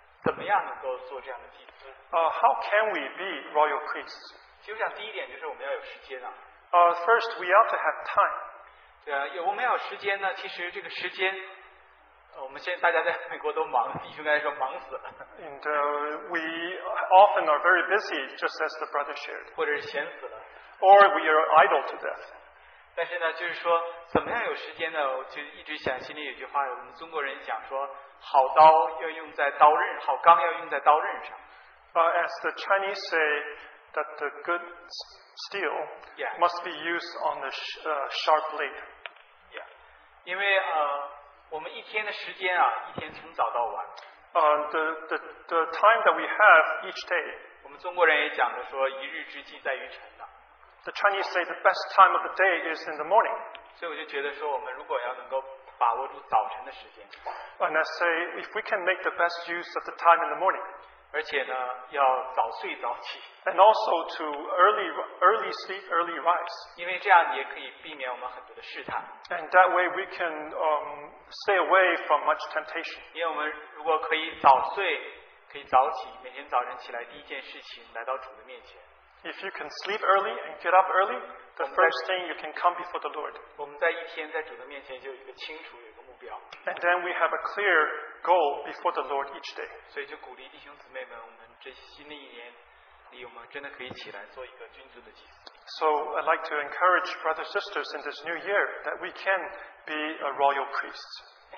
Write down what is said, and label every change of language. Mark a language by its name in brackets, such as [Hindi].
[Chinese] 我们那个就是讲到说我们怎么样能够做这样的祭司。 [English] How can we be royal priests? [Chinese] 其实我想第一点就是我们要有时间啊。 [English] First, we ought to have time. [Chinese] 对啊，我们要有时间呢，其实这个时间。我们现在大家在美国都忙，弟兄刚才说忙死了。 [English] And we often are very busy, just as the brother shared. [Chinese] 或者是闲死了。 [English] Or we are idle to death. [Chinese] 但是呢，就是说，怎么样有时间呢？我就一直想，心里有句话，我们中国人讲说，好刀要用在刀刃，好钢要用在刀刃上。 [English] As the Chinese say, that the good steel must be used on the sharp blade. Yeah. [Chinese] 因为我们一天的时间啊，一天从早到晚。 [English] The time that we have each day. [Chinese] 我们中国人也讲的说，一日之计在于晨。 [English] The Chinese say the best time of the day is in the morning. [Chinese] 所以我就觉得说，我们如果要能够把握住早晨的时间。 [English] And I say, if we can make the best use of the time in the morning. [Chinese] 而且呢，要早睡早起。 [English] And also to early sleep, early rise. [Chinese] 因为这样也可以避免我们很多的试探。 [English] And that way we can stay away from much temptation. [Chinese] 因为我们如果可以早睡，可以早起，每天早晨起来第一件事情来到主的面前。 [English] If you can sleep early and get up early, the first thing you can come before the Lord. [Chinese] 我们在一天在主的面前就有一个清楚，有一个目标。 [English] And then we have a clear goal before the Lord each day. [Chinese] 所以就鼓励弟兄姊妹们，我们这新的一年里，我们真的可以起来做一个君尊的祭司。 [English] So I'd like to encourage brothers and sisters in this new year that we can be a royal priest.